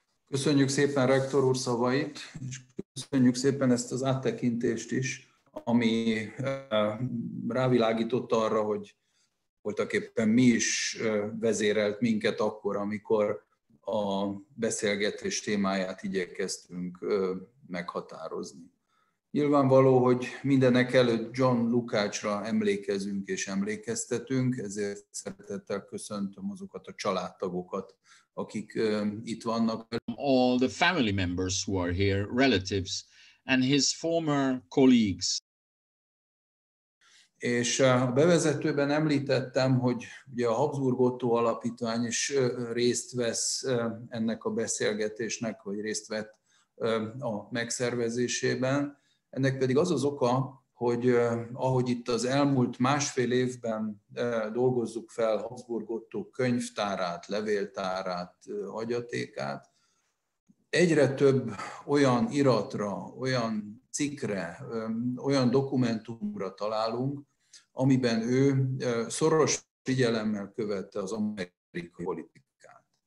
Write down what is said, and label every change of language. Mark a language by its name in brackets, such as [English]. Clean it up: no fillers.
[Hungarian] Köszönjük szépen rektor úr szavait, és köszönjük szépen ezt az áttekintést is, ami rávilágított arra, hogy voltak éppen mi is vezérelt minket akkor, amikor a beszélgetés témáját igyekeztünk meghatározni. Nyilvánvaló, hogy mindenek előtt John Lukácsra emlékezünk és emlékeztetünk, ezért szeretettel köszöntöm azokat a családtagokat, akik itt vannak. [English] All the family members who are here, relatives, and his former colleagues. [Hungarian] És a bevezetőben említettem, hogy ugye a Habsburg Otto Alapítvány is részt vesz ennek a beszélgetésnek, vagy részt vett a megszervezésében. Ennek pedig az az oka, hogy ahogy itt az elmúlt másfél évben dolgozzuk fel Habsburg Otto könyvtárát, levéltárát, hagyatékát, egyre több olyan iratra, olyan cikkre, olyan dokumentumra találunk, amiben ő szoros figyelemmel követte az amerikai politikát.